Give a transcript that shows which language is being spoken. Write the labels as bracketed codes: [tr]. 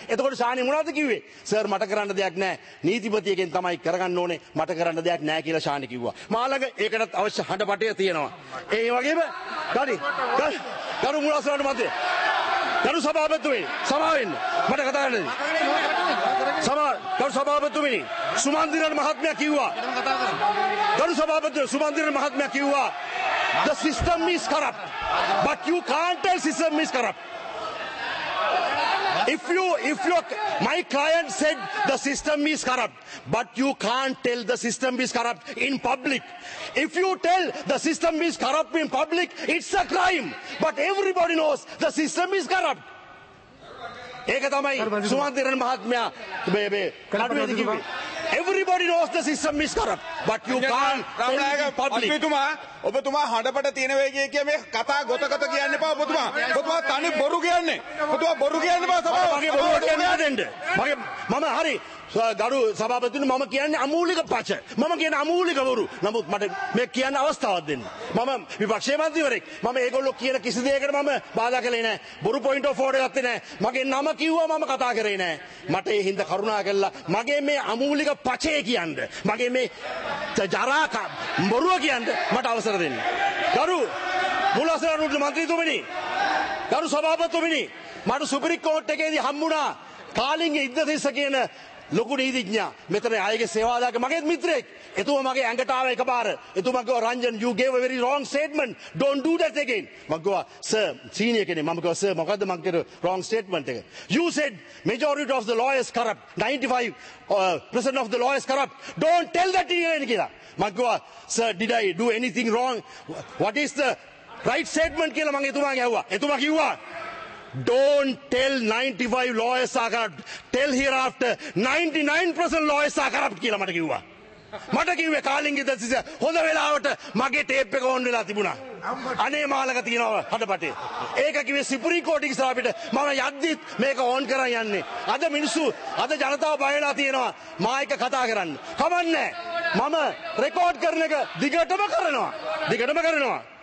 [si] එතකොට ශානි මොනවද කිව්වේ? සර් මට කරන්න දෙයක් නැහැ. නීතිපතියගෙන් තමයි කරගන්න ඕනේ. මට කරන්න දෙයක් නැහැ කියලා ශානි කිව්වා. මාළඟ ඒකටත් අවශ්‍ය හඬපටය තියෙනවා. ඒ වගේම ගරි ගරු මුලාසනට මැදේ ගරු සභාපතිතුමනි සමාවෙන්න මට කතා කරන්න දෙන්න. ගරු සභාපතිතුමනි සුමන්දිරන් මහත්මයා කිව්වා [en] ගරු සභාපති සුමන්දිරන් මහත්මයා කිව්වා the system is corrupt but you can't tell system is corrupt if you my client said the system is corrupt but you can't tell the system is corrupt in public. If you tell the system is corrupt in public it's a crime but everybody knows the system is corrupt. [si] ඒක තමයි සුමන්දිරන් මහත්මයා මේ නඩුවේදී කිව්වේ. [en] Everybody knows the system is corrupt but you can't tell the public. [si] ඔබතුමා හඬපට තියෙන වේගය කිය මේ කතා ගොතකට කියන්න එපා. ඔබතුමා ඔබතුමා තනි බොරු කියන්නේ. ඔබතුමා බොරු කියන්න එපා සභාව. මගේ බොරු කියන්නේ නැදෙන්න. මගේ මම හරි ගරු සභාපතිතුමනි මම කියන්නේ අමූලික පච. මම කියන්නේ අමූලික බොරු. නමුත් මට මේ කියන්න අවස්ථාවක් දෙන්න. මම විපක්ෂයේ මන්ත්‍රීවරෙක්. මම ඒගොල්ලෝ කියන කිසි දෙයකට මම බාධා කළේ නැහැ. බොරු පොයින්ට් ඔෆ් ඕඩර් ගත්තේ නැහැ. මගේ නම කිව්වා මම කතා කරේ නැහැ. මට ඒ හින්දා කරුණා කළා. මගේ මේ අමූලික පචේ කියන්න. මගේ මේ ජරාක බොරුව කියන්න මට අවසර දෙන්න. ගරු මුලසරණුත් මන්ත්‍රීතුමනි ගරු සභාපතිතුමනි මට සුපරික් කෝට් එකේදී හම්බුණා කාලින්ගේ ඉද්දදේශ කියන ලොකු නීතිඥයා. මෙතන අයගේ සේවාදායක මගේ මිත්‍රයෙක්. එතුමා මගේ ඇඟට ආව එකපාර. එතුමා කිව්වා [en] Ranjan you gave a very wrong statement don't do that again. [si] මම කිව්වා සර් සීනියර් කෙනෙක්. මම කිව්වා සර් මොකද්ද මං කරේ [en] wrong statement [si] එක? [en] You said majority of the lawyers corrupt 95% of the lawyers corrupt don't tell that again [si] කියලා. මම කිව්වා sir [en] did I do anything wrong what is the right statement [si] කියලා මම එතුමා ගැහුවා. එතුමා කිව්වා [en] don't tell 95 lawyers are corrupt tell hereafter 99% lawyers are corrupt [si] කියලා මට කිව්වා. මට කිව්වේ කාලින්ගේ දසිස හොඳ වෙලාවට මගේ ටේප් එක ඔන් වෙලා තිබුණා. අනේ මාලක තියනවා හඩපටේ. ඒක කිව්වේ සුප්‍රීම කෝටිගේ ස්ථාපිත මම යද්දිත් මේක ඔන් කරන් යන්නේ. අද මිනිස්සු අද ජනතාව බය වෙලා තියනවා මා එක කතා කරන්න. කමන්නේ මම රෙකෝඩ් කරන එක දිගටම කරනවා. දිගටම කරනවා.